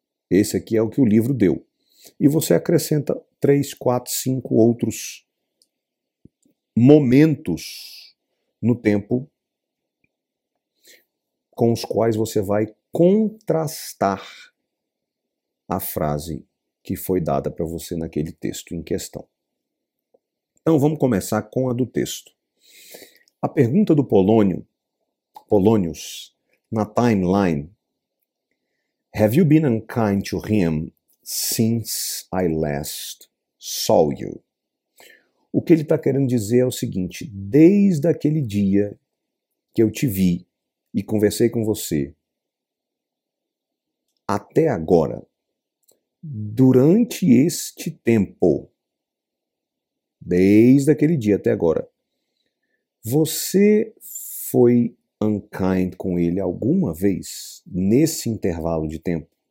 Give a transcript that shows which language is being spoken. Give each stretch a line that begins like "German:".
Portuguese: Esse aqui é o que o livro deu. E você acrescenta 3, 4, 5 outros momentos no tempo com os quais você vai contrastar a frase que foi dada para você naquele texto em questão. Então vamos começar com a do texto. A pergunta do Polônios, na timeline:
English: Have you been unkind to him since I last saw you?
Portuguese: O que ele está querendo dizer é o seguinte: desde aquele dia que eu te vi e conversei com você, até agora, durante este tempo, desde aquele dia até agora, você foi unkind com ele alguma vez nesse intervalo de tempo?